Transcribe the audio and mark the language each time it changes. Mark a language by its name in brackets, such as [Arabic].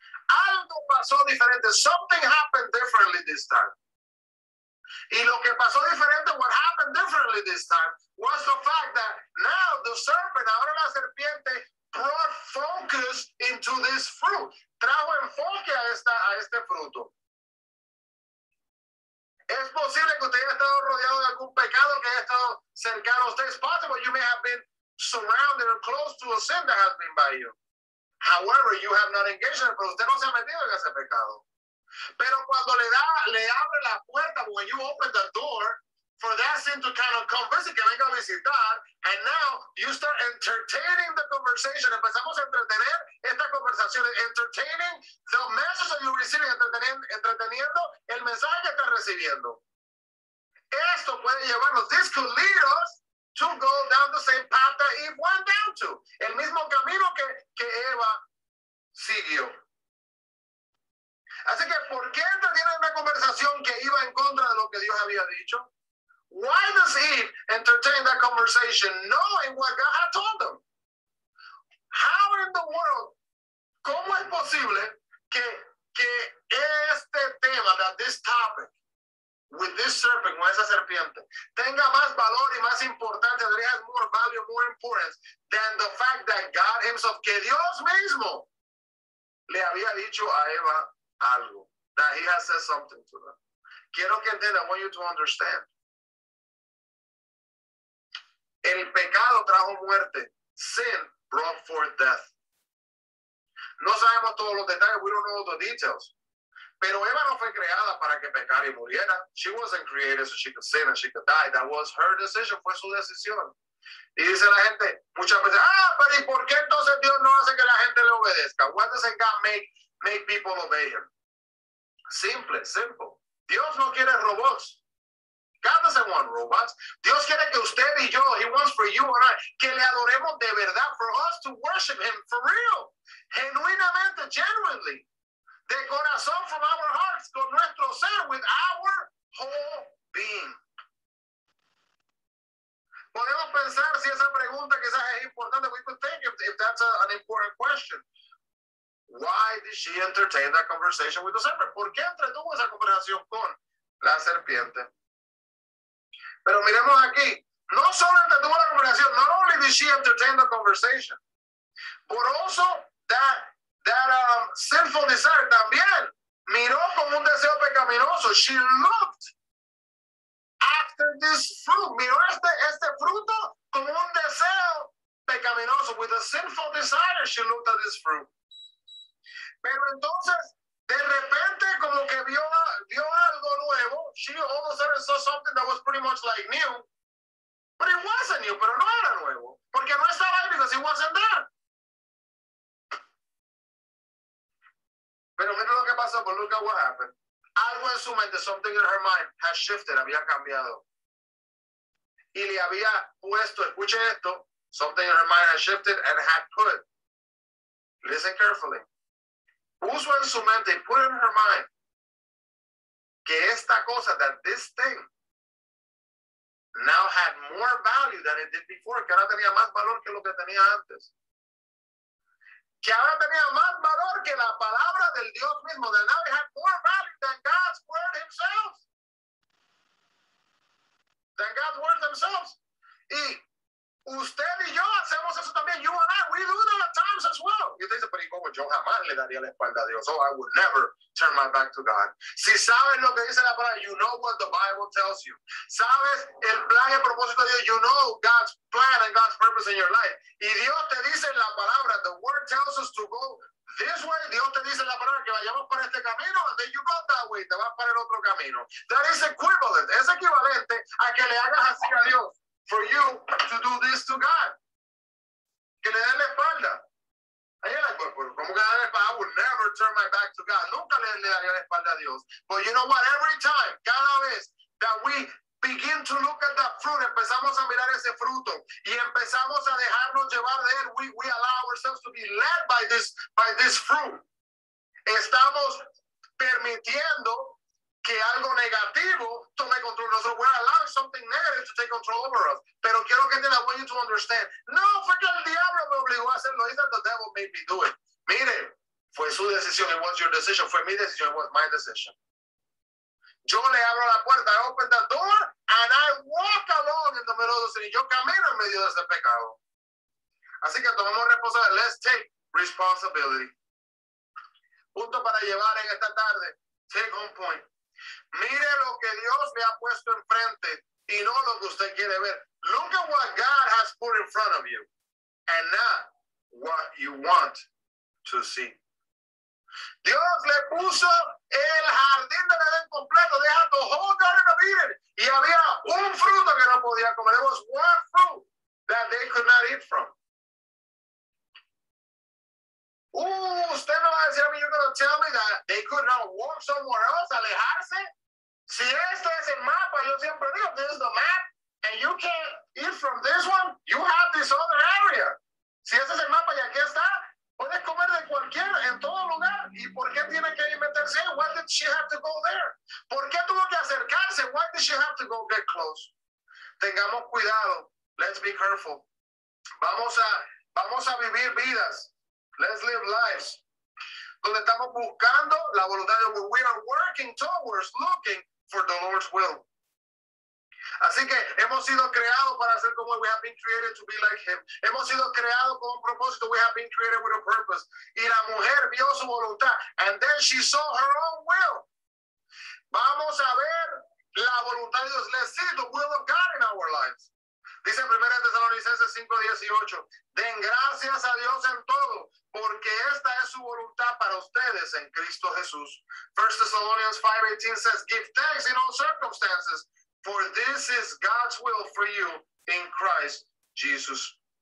[Spanish] Algo pasó diferente. [English] Something happened differently this time. [Spanish] Y lo que pasó diferente, [English] what happened differently this time, was the fact that now the serpent, [Spanish] ahora la serpiente, [English] brought focus into this fruit. [Spanish] Trajo enfoque a este fruto. Es posible que usted haya estado rodeado de algún pecado que haya estado cercano a usted. [English] It's possible you may have been surrounded or close to a sin that has been by you. However, you have not engaged in it, [Spanish] pero usted no se ha metido en ese pecado. Pero cuando le abre la puerta, [English] when you open the door for that sin to kind of come visit, [Spanish] que venga a visitar, [English] and now you start entertaining the conversation. [Spanish] Empezamos a entretener esta conversación, [English] entertaining the message that you're receiving, [Spanish] entreteniendo el mensaje que está recibiendo. Esto puede llevarnos, [English] this could lead us to go down the same path that Eve went down to. [Spanish] El mismo camino que Eva siguió. Así que, ¿por qué entretiene una conversación que iba en contra de lo que Dios había dicho? [English] Why does Eve entertain that conversation knowing what God had told them? How in the world, [Spanish] ¿cómo es posible que este tema, [English] that this topic, with this serpent, [Spanish] con esa serpiente, tenga más valor y más importante, tendría [English] more value, more importance, than the fact that God himself, [Spanish] que Dios mismo, le había dicho a Eva algo, [English] that he has said something to them? [Spanish] Quiero que entienda, [English] I want you to understand. [Spanish] El pecado trajo muerte. [English] Sin brought forth death. [Spanish] No sabemos todos los detalles. [English] We don't know all the details. [Spanish] Pero Eva no fue creada para que pecara y muriera. [English] She wasn't created so she could sin and she could die. That was her decision. [Spanish] Fue su decisión. Y dice la gente, muchas veces, ah, pero ¿y por qué entonces Dios no hace que la gente le obedezca? [English] What does God make people obey him? Simple, simple. [Spanish] Dios no quiere robots. [English] God doesn't want robots. [Spanish] Dios quiere que usted y yo, [English] he wants for you and I, [Spanish] que le adoremos de verdad, [English] for us to worship him for real, [Spanish] genuinamente, [English] genuinely, [Spanish] de corazón, [English] from our hearts, [Spanish] con nuestro ser, [English] with our whole being. [Spanish] Podemos pensar si esa pregunta quizás es importante, [English] we could think if that's an important question. Why did she entertain that conversation with the serpent? [Spanish] ¿Por qué entretuvo esa conversación con la serpiente? Pero miremos aquí, no solo entretuvo la conversación, [English] not only did she entertain the conversation, but also that sinful desire [Spanish] también miró con un deseo pecaminoso. [English] She looked after this fruit. [Spanish] Miró este fruto como un deseo pecaminoso. [English] With a sinful desire, she looked at this fruit. [Spanish] Pero entonces, de repente, como que vio algo nuevo. [English] She all of a sudden saw something that was pretty much like new. But it wasn't new, [Spanish] pero no era nuevo. Porque no estaba ahí, [English] because it wasn't there. [Spanish] Pero mira lo que pasó, [English] but look at what happened. [Spanish] Algo en su mente, [English] something in her mind, has shifted, [Spanish] había cambiado. Y le había puesto, escuche esto, [English] something in her mind has shifted and had put. Listen carefully. [Spanish] Puso en su mente, [English] put in her mind, [Spanish] que esta cosa, [English] that this thing, now had more value than it did before, [Spanish] que ahora tenía más valor que lo que tenía antes. Que ahora tenía más valor que la palabra del Dios mismo. [English] That now it had more value than God's word himself. [Spanish] Than God's word themselves. Y usted y yo hacemos eso también. [English] You and I, we do that at times as well. [Spanish] Y usted dice, pero ¿cómo? Yo jamás le daría la espalda a Dios. [English] Oh, I would never turn my back to God. [Spanish] Si sabes lo que dice la palabra, [English] you know what the Bible tells you. [Spanish] Sabes el plan y el propósito de Dios. [English] You know God's plan and God's purpose in your life. [Spanish] Y Dios te dice la palabra. [English] The word tells us to go this way. [Spanish] Dios te dice la palabra que vayamos por este camino. [English] And then you go that way. [Spanish] Te vas por el otro camino. [English] That is equivalent. [Spanish] Es equivalente a que le hagas así a Dios. [English] For you to do this to God. [Spanish] Que le den la espalda. ¿Cómo que le den la espalda? [English] I will never turn my back to God. [Spanish] Nunca le daría la espalda a Dios. [English] But you know what? Every time, [Spanish] cada vez [English] that we begin to look at that fruit, [Spanish] empezamos a mirar ese fruto y empezamos a dejarnos llevar de él, [English] we allow ourselves to be led by this fruit. [Spanish] Estamos permitiendo que algo negativo tome control. Nosotros, [English] we're allowing something negative to take control over us. [Spanish] Pero quiero que entiendan, [English] I want you to understand. [Spanish] No, fue que el diablo me obligó a hacerlo. [English] He's that the devil made me do it. [Spanish] Mire, fue su decisión. [English] It was your decision. [Spanish] Fue mi decisión. [English] It was my decision. [Spanish] Yo le abro la puerta. [English] I open the door. And I walk along in the middle of the city. [Spanish] Yo camino en medio de ese pecado. Así que tomemos responsabilidad. [English] Let's take responsibility. [Spanish] Punto para llevar en esta tarde. [English] Take home point. [Spanish] Mire lo que Dios le ha puesto enfrente y no lo que usted quiere ver. [English] Look at what God has put in front of you and not what you want to see. [Spanish] Dios le puso el jardín del Edén completo, deja [English] the whole garden of Eden, [Spanish] y había un fruto que no podía comer. [English] There was one fruit that they could not eat from. [Spanish] Usted me va a decir a mí, [English] you're going to tell me that they could not walk somewhere else, [Spanish] alejarse. Si este es el mapa, yo siempre digo, [English] this is the map, and you can't eat from this one, you have this other area. [Spanish] Si este es el mapa y aquí está, puedes comer de cualquier, en todo lugar. ¿Y por qué tiene que meterse? [English] Why did she have to go there? [Spanish] ¿Por qué tuvo que acercarse? [English] Why did she have to go get close? [Spanish] Tengamos cuidado. [English] Let's be careful. [Spanish] Vamos a vivir vidas. [English] Let's live lives. [Spanish] Donde estamos buscando la voluntad de Dios. [English] We are working towards looking for the Lord's will. [Spanish] Así que hemos sido creados para ser como Él. [English] We have been created to be like Him. [Spanish] Hemos sido creados con un propósito. [English] We have been created with a purpose. [Spanish] Y la mujer vio su voluntad. [English] And then she saw her own will. [Spanish] Vamos a ver la voluntad de Dios. [English] Let's see the will of God in our lives. [Spanish] Dice en 1 Tesalonicenses 5:18. Den gracias a Dios en todo, porque esta es su voluntad para ustedes en Cristo Jesús. [English] 1 Thessalonians 5:18 says, give thanks in all circumstances, for this is God's will for you in Christ Jesus.